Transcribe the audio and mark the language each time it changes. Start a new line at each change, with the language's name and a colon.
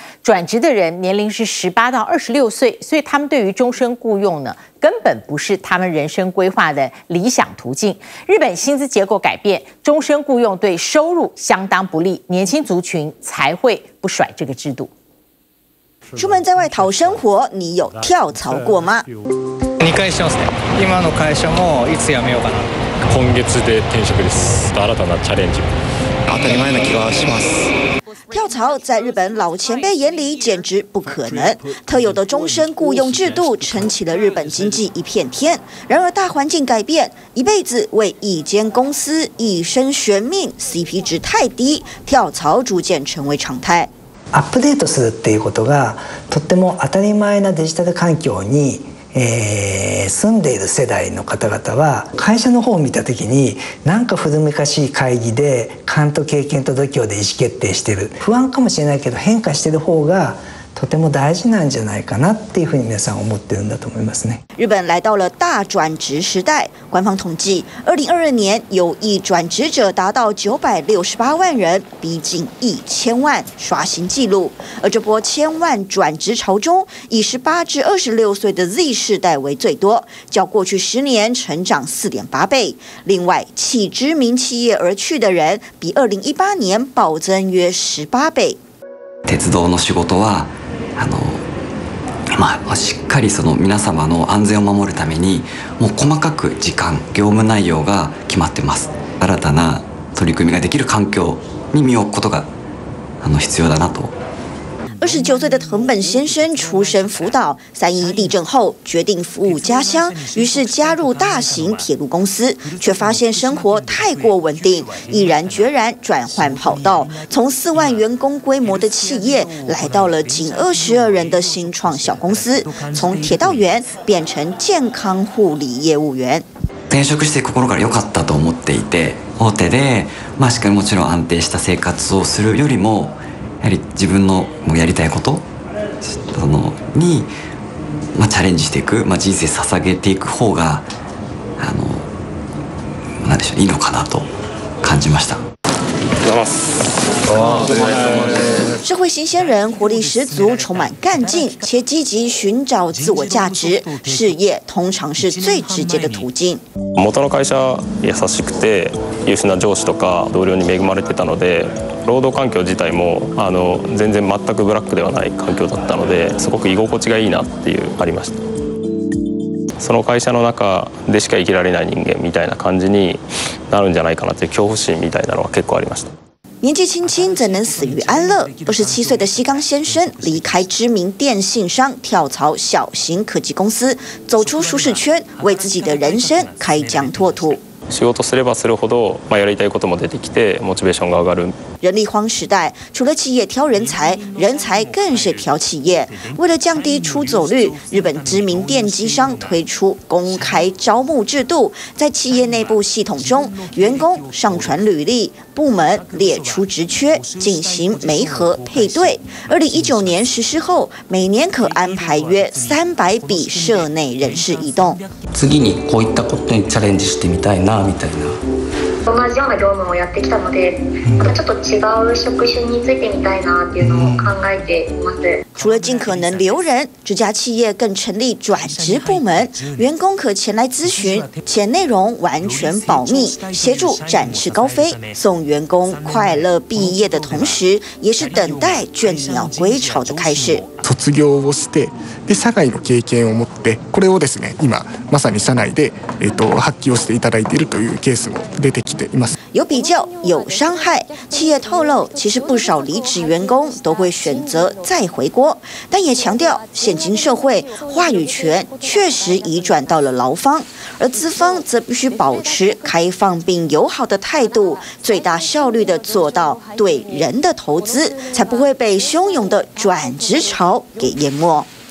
Chinese: 转职的人年龄是18到26岁，所以他们对于终身雇佣呢根本不是他们人生规划的理想途径。日本薪资结构改变，终身雇佣对收入相当不利，年轻族群才会不甩这个制度。出门在外讨生活，你有跳槽过吗？
Japanese: 2回しますね。今の会社もいつ辞めようかな。今月で転職です。新たなチャレンジ。当たり前な気がします。
Chinese: 跳槽在日本老前辈眼里简直不可能，特有的终身雇佣制度撑起了日本经济一片天。然而大环境改变，一辈子为一间公司一生悬命 ，CP 值太低，跳槽逐渐成为常态。
Japanese: アップデートするっていうことがとっても当たり前なデジタル環境に、住んでいる世代の方々は会社の方を見た時に何か古めかしい会議で勘と経験と度胸で意思決定してる不安かもしれないけど変化してる方がとても大事なんじゃないかなっていうふうに皆さん思ってるんだと思いますね。
Chinese: 日本来到了大转职时代，官方统计2022年有意转职者达到968万人，逼近1000万，刷新纪录。而这波千万转职潮中，以18至26岁的 Z 世代为最多，较过去10年成长4.8倍。另外，弃知名企业而去的人比2018年暴增约18倍。
Japanese: 鉄道の仕事は、しっかりその皆様の安全を守るために、もう細かく時間、業務内容が決まってます。新たな取り組みができる環境に身を置くことが、必要だなと。
Chinese: 29岁的藤本先生出身福岛，3.11地震后决定服务家乡，于是加入大型铁路公司，却发现生活太过稳定，毅然决然转换跑道，从4万员工规模的企业来到了仅22人的新创小公司，从铁道员变成健康护理业务员。
Japanese: 転職して心から良かったと思っていて、大手でしっかりもちろん安定した生活をするよりも。やはり自分のやりたいことにチャレンジしていく、人生捧げていく方が何でしょう、いいのかなと感じました。
Chinese: 社会新鲜人，活力十足，充满干劲，且积极寻找自我价值，事业通常是最直接的途径。
Japanese: 元の会社優しくて優秀な上司とか同僚に恵まれてたので、労働環境自体も全然全くブラックではない環境だったので、すごく居心地がいいなっていうありました。その会社の中でしか生きられない人間みたいな感じになるんじゃないかなという恐怖心みたいなのは結構ありました。
Chinese: 年纪轻轻怎能死于安乐？27岁的西冈先生离开知名电信商，跳槽小型科技公司，走出舒适圈，为自己的人生开疆拓土。
Japanese: 仕事すればするほど、やりたいことも出てきて、モチベーションが上がる。
Chinese: 人力荒时代，除了企业挑人才，人才更是挑企业。为了降低出走率，日本知名电机商推出公开招募制度，在企业内部系统中，员工上传履历，部门列出职缺，进行媒合配对。 2019年实施后，每年可安排约300笔社内人事移动。
Japanese: 次にこういったことにチャレンジしてみたいなみたいな。
Chinese: 除了尽可能留人，这家企业更成立转职部门，员工可前来咨询，且内容完全保密，协助展翅高飞，送员工快乐毕业的同时，也是等待倦鸟归巢的开始。
Japanese: 卒業をして、で社外の経験を持って、これをですね、今まさに社内で発揮をしていただいているというケースも出てきています。
Chinese: 有比较，有伤害。企业透露，其实不少离职员工都会选择再回国，但也强调，现今社会话语权确实移转到了劳方，而资方则必须保持开放并友好的态度，最大效率地做到对人的投资，才不会被汹涌的转职潮给淹没。